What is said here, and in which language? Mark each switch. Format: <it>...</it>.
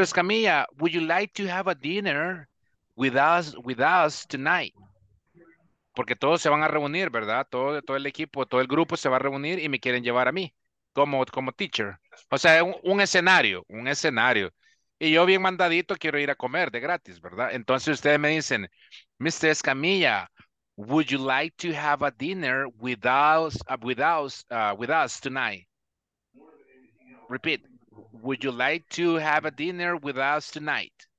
<en>Escamilla, would you like to have a dinner with us tonight?</en> <es>Porque todos se van a reunir, ¿verdad? Todo el equipo, todo el grupo se va a reunir y me quieren llevar a mí como teacher. O sea, un escenario. Y yo bien mandadito quiero ir a comer de gratis, ¿verdad? Entonces ustedes me dicen, Mr.</es> <en>Escamilla, would you like to have a dinner with us tonight? Repeat. Would you like to have a dinner with us tonight?</en>